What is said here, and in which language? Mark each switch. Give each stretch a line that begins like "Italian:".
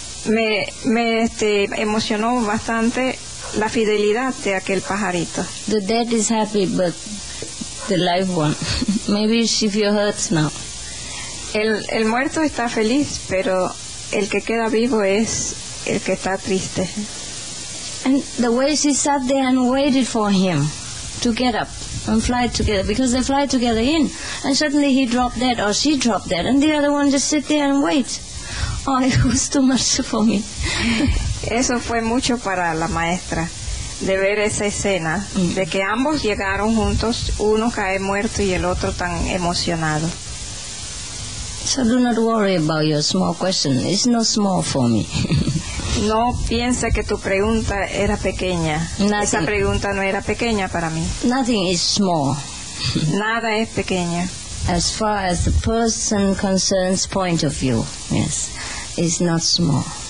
Spanish: Me emocionó bastante la fidelidad de aquel pajarito.
English: The dead is happy, but the live one. Maybe she feels hurt now.
Spanish: El muerto está feliz, pero el que queda vivo es el que está triste.
English: And the way she sat there and waited for him to get up and fly together, because they fly together in, and suddenly he dropped dead or she dropped dead, and the other one just sit there and wait. Oh, it was too much for me.
Spanish: Eso fue mucho para la maestra, de ver esa escena, de que ambos llegaron juntos, uno cae muerto y el otro tan emocionado.
English: So do not worry about your small question. It's not small for me.
Spanish: No piense que tu pregunta era pequeña.
English: Nothing.
Spanish: Esa pregunta no era pequeña para mí.
English: Nothing is small.
Spanish: Nada es pequeña.
English: As far as the person concerns point of view, yes, it's not small.